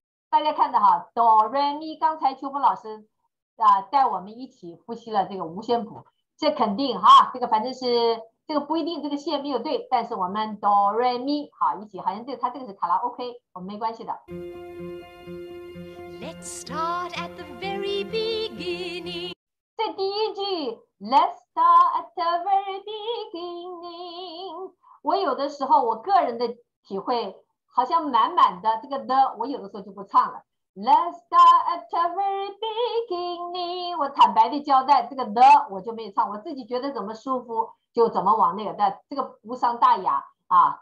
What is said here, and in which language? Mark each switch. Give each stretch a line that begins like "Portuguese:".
Chinese: 大家看到哈，哆来咪，刚才秋风老师带我们一起复习了这个五线谱。这肯定哈，这个反正是这个不一定这个线没有对，但是我们哆来咪好一起，好像对他这个是卡拉 OK， 我们没关系的。
English: Let's start at the very beginning.
Chinese: 这第一句
English: Let's start at the very beginning。
Chinese: 我有的时候我个人的体会好像满满的这个的，我有的时候就不唱了。
English: Let's start at the very beginning，
Chinese: 我坦白的交代这个的我就没唱，我自己觉得怎么舒服就怎么往那个的，这个无伤大雅啊。